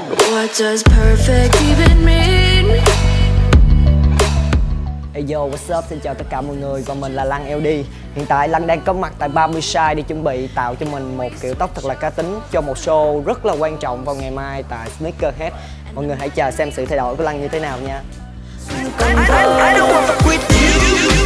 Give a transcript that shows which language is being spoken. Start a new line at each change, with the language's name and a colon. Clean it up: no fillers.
English: What does perfect even mean? Hey yo, what's up?
Vietnamese: Xin chào tất cả mọi người, còn mình là Lăng LD. Hiện tại Lăng đang có mặt tại Barber Shine để chuẩn bị tạo cho mình một kiểu tóc thật là cá tính cho một show rất là quan trọng vào ngày mai tại Sneakerhead. Mọi người hãy chờ xem sự thay đổi của Lăng như thế nào nha.
English: I don't wanna fuck with you.